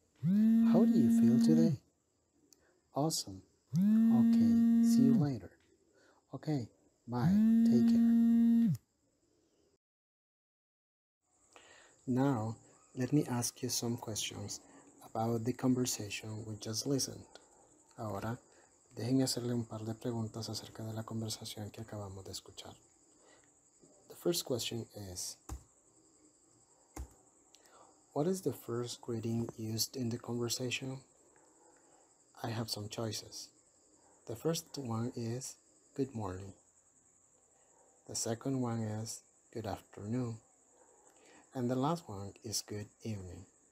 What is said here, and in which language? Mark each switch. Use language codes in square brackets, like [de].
[en] How do you feel today? Awesome. Okay. See you later. Okay. Bye. Take care. Now, let me ask you some questions about the conversation we just listened. [es] Ahora, déjenme hacerle un par de preguntas acerca de la conversación que acabamos de escuchar. [en] The first question is, what is the first greeting used in the conversation? I have some choices. The first one is, good morning. The second one is, good afternoon. And the last one is, good evening.